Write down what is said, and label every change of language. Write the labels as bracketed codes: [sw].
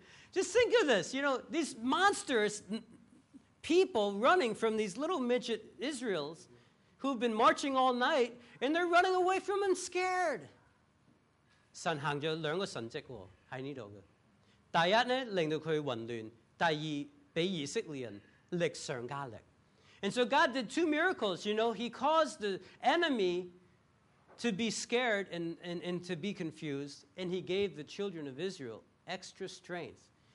[en] Just think of this, you know, these monstrous people running from these little midget Israels who've been marching all night, and they're running away from them scared. [yue] 神行咗两个神迹喺呢度嘅，第一咧令到佢混乱，第二俾以色列人。力上加力。 [en] And so God did two miracles, you know. He caused the enemy to be scared and to be confused, and he gave the children of Israel extra strength.